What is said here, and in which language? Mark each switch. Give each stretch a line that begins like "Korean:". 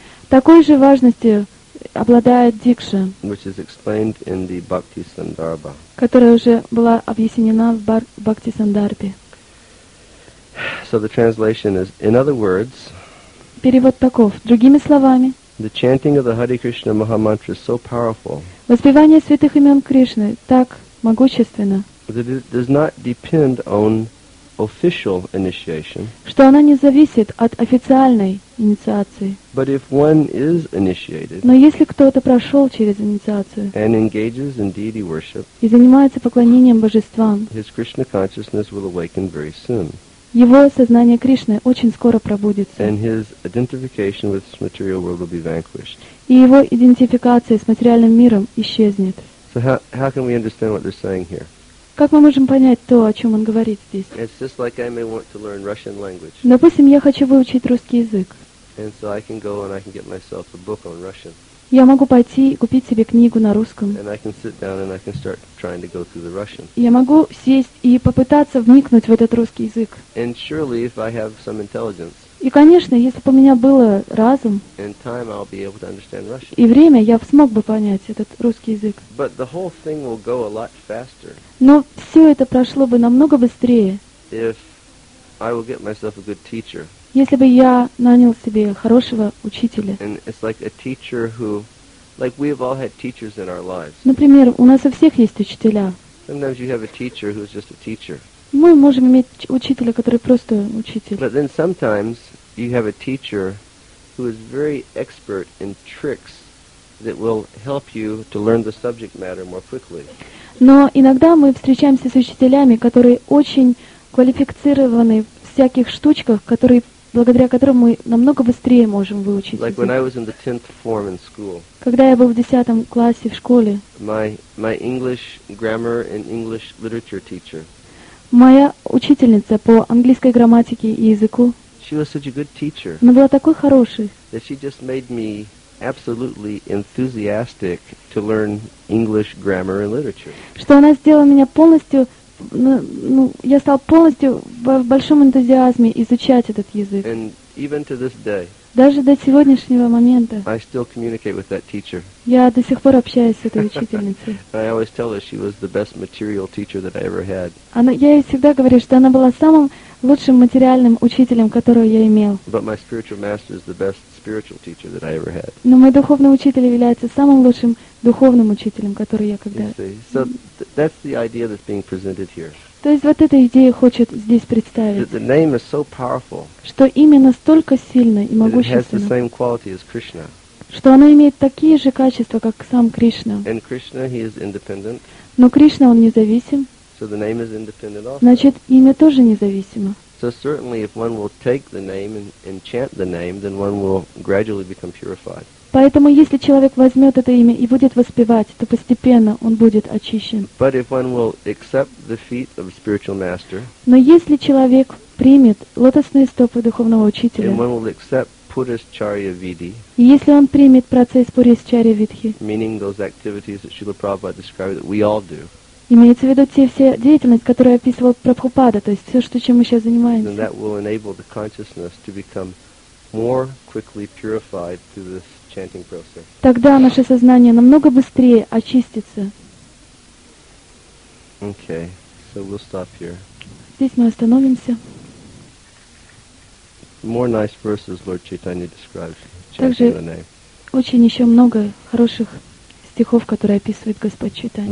Russian: такой же важностью обладает дикша,
English: which is explained in the Bhakti Sandarbha,
Russian: которая уже была объяснена в Бхакти Сандарбе.
English: So the translation is, in other words,
Russian: перевод таков, другими словами,
English: the chanting of the Hare Krishna Maha Mantra is so powerful,
Russian: воспевание святых имен Кришны так могущественно,
English: that it does not depend on official initiation,
Russian: что она не зависит от официальной инициации.
English: But if one is initiated,
Russian: но если кто-то прошел через инициацию
English: and engages in deity worship,
Russian: и занимается поклонением божествам,
English: his Krishna consciousness will awaken very soon.
Russian: Его сознание Кришны очень скоро пробудится.
English: And his identification with this material world will be vanquished.
Russian: И его идентификация с материальным миром исчезнет.
English: So how can we understand what they're saying here?
Russian: Как мы можем понять то, о чем он говорит здесь?
English: It's just like I may want to learn Russian language.
Russian: Допустим, я хочу выучить русский язык.
English: And so I can go and I can get myself a book on Russian.
Russian: Я могу пойти и купить себе книгу на русском.
English: And I can sit down and I can start trying to go through the Russian.
Russian: Я могу сесть и попытаться вникнуть в этот русский язык.
English: And surely if I have some intelligence.
Russian: И, конечно, если бы у меня было разум
English: and time, I'll be able to understand Russian.
Russian: И время, я смог бы понять этот русский язык.
English: But the whole thing will go a lot faster.
Russian: Но все это прошло бы намного быстрее.
English: If I will get myself a good teacher.
Russian: Если бы я нанял себе хорошего учителя.
English: And it's like a teacher who, like we have all had teachers in our lives.
Russian: Например, у нас у всех есть учителя.
English: Sometimes you have a teacher who's just a teacher.
Russian: Мы можем иметь учителя, который просто учитель.
English: But then sometimes you have a teacher who is very expert in tricks that will help you to learn the subject matter more quickly.
Russian: Но иногда мы встречаемся с учителями, которые очень квалифицированы в всяких штучках, которые, благодаря которым мы намного быстрее можем выучить.
English: Like when I was in the 10th form in school.
Russian: Когда я был в 10 классе в школе.
English: My English grammar and English literature teacher.
Russian: Моя учительница по английской грамматике и языку.
English: She was such a good teacher.
Russian: Она была такой хорошей.
English: That she just made me absolutely enthusiastic to learn English grammar and literature.
Russian: Что она сделала меня полностью, ну, я стал полностью в большом энтузиазме изучать этот язык.
English: And even to this day.
Russian: Даже до сегодняшнего момента.
English: I still communicate with that teacher.
Russian: Я до сих пор общаюсь с этой учительницей.
English: I always tell her she was the best material teacher that I ever had.
Russian: Я ей всегда говорю, что она была самым лучшим материальным учителем, которого я имел.
English: But my spiritual master is the best spiritual teacher that I ever had.
Russian: Но мой духовный учитель является самым лучшим духовным учителем, который я когда.
English: So that's the idea that's being presented here.
Russian: То есть вот эта идея хочет здесь представить,
English: the name is so powerful,
Russian: что имя настолько сильно и могущественно, что оно имеет такие же качества, как сам Кришна.
English: And Krishna, he is independent.
Russian: Но Кришна, он независим.
English: So the name is independent also.
Russian: Значит, имя тоже независимо.
English: So certainly, if one will take the name and chant the name, then one will gradually become purified.
Russian: Поэтому, если человек возьмет это имя и будет воспевать, то постепенно он будет очищен.
English: But if one will accept the feet of a spiritual master,
Russian: но если человек примет лотосные стопы духовного учителя,
English: and one will accept Purushcharya Vidhi,
Russian: и если он примет процесс Purushcharya Vidhi,
English: meaning those activities that Srila Prabhupada described that we all do,
Russian: имеется в виду те все деятельности, которые описывал Прабхупада, то есть все, что, чем мы сейчас занимаемся,
English: then that will enable the consciousness to become more quickly purified through this chanting process.
Russian: Тогда наше сознание намного быстрее очистится.
English: Okay, so we'll stop here.
Russian: Здесь мы остановимся.
English: More nice verses Lord Chaitanya describes.
Russian: Также очень еще много хороших стихов, которые описывает Господь Чайтанья.